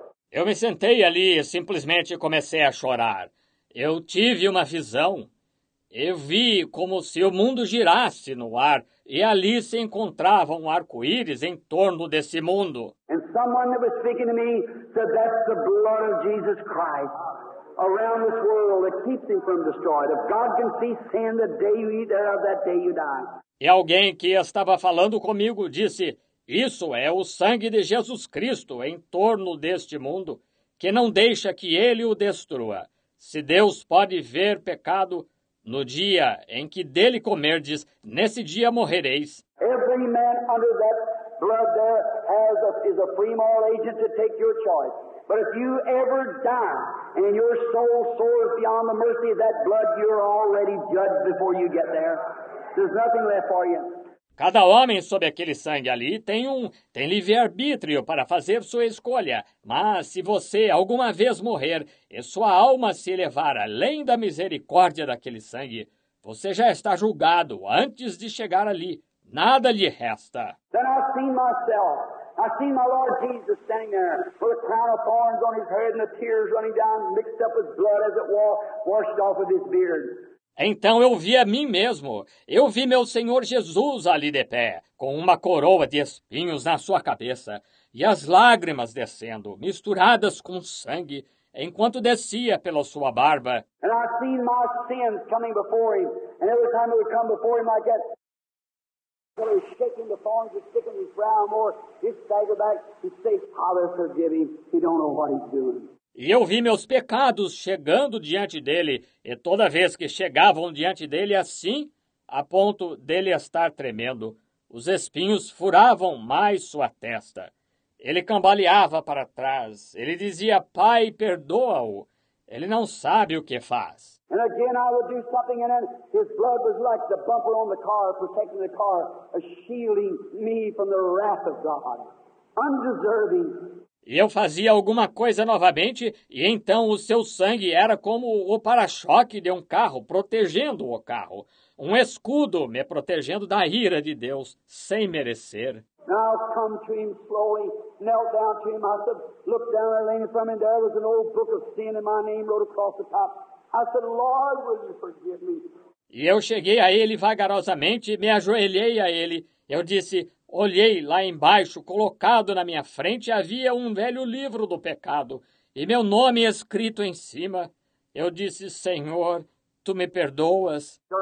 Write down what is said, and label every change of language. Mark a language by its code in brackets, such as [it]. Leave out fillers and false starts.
[pt] Eu me sentei ali e simplesmente comecei a chorar. Eu tive uma visão. Eu vi como se o mundo girasse no ar. E ali se encontrava um arco-íris em torno desse mundo. [en] And someone that was speaking to me said that's the blood of Jesus Christ around this world that keeps him from destroyed. If God can see sin the day you eat thereof, that day you die. [pt] E alguém que estava falando comigo disse, isso é o sangue de Jesus Cristo em torno deste mundo, que não deixa que ele o destrua. Se Deus pode ver pecado, no dia em que dele comerdes, nesse dia morrereis. [en] Every man under that blood there has is a free moral agent to take your choice. But if you ever die and your soul soars beyond the mercy of that blood, you're already judged before you get there. There's nothing left for you. [pt] Cada homem sob aquele sangue ali tem livre-arbítrio para fazer sua escolha. Mas se você alguma vez morrer e sua alma se elevar além da misericórdia daquele sangue, você já está julgado antes de chegar ali. Nada lhe resta. [en] Then I've seen myself. I've seen my Lord Jesus standing there with a crown of thorns on his head and the tears running down mixed up with blood as it washed off of his beard. [pt] Então eu vi a mim mesmo, eu vi meu Senhor Jesus ali de pé, com uma coroa de espinhos na sua cabeça, e as lágrimas descendo, misturadas com sangue, enquanto descia pela sua barba. [en] And I seen my sins coming before him, and every time it would come before him, I get when he's shaking the thorns, he's sticking his brow more, he'd stagger back, he'd say, Father, forgive him, he don't know what he's doing. [pt] E eu vi meus pecados chegando diante dele, e toda vez que chegavam diante dele assim, a ponto dele estar tremendo, os espinhos furavam mais sua testa. Ele cambaleava para trás, ele dizia, Pai, perdoa-o, ele não sabe o que faz. E de novo eu ia fazer algo, e então seu sangue era como o bumper do carro, protegendo o carro, [en] shielding-me [pt] da ira de Deus, [en] undeserving. [pt] E eu fazia alguma coisa novamente, e então o seu sangue era como o para-choque de um carro, protegendo o carro. Um escudo me protegendo da ira de Deus, sem merecer. [en] Now I've come to him slowly, knelt down to him. I said, look down there, leaning from him. There was an old book of sin in my name, wrote across the top. I said, Lord, will you forgive me? [pt] E eu cheguei a ele vagarosamente, me ajoelhei a ele. Eu disse, olhei lá embaixo, colocado na minha frente, havia um velho livro do pecado, e meu nome escrito em cima. Eu disse, Senhor, Tu me perdoas?